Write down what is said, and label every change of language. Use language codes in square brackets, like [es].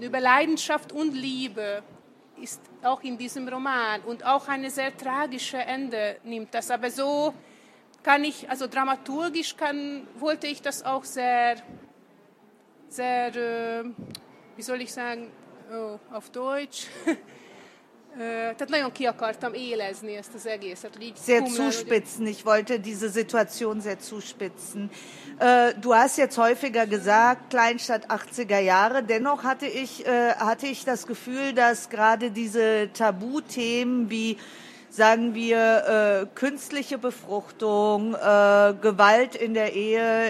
[de] Über Leidenschaft und Liebe ist auch in diesem Roman. Und auch eine sehr tragische Ende nimmt das. Aber so kann ich, also dramaturgisch wollte ich das auch sehr, sehr, wie soll ich sagen, oh, auf Deutsch. [hu] Tehát nagyon ki akartam élezni ezt az egészet. [de] Sehr zuspitzen. Ich wollte diese Situation sehr zuspitzen. Du hast jetzt häufiger gesagt, Kleinstadt 80er Jahre. Dennoch hatte ich das Gefühl, dass gerade diese Tabuthemen wie, sagen wir, künstliche Befruchtung, Gewalt in der Ehe.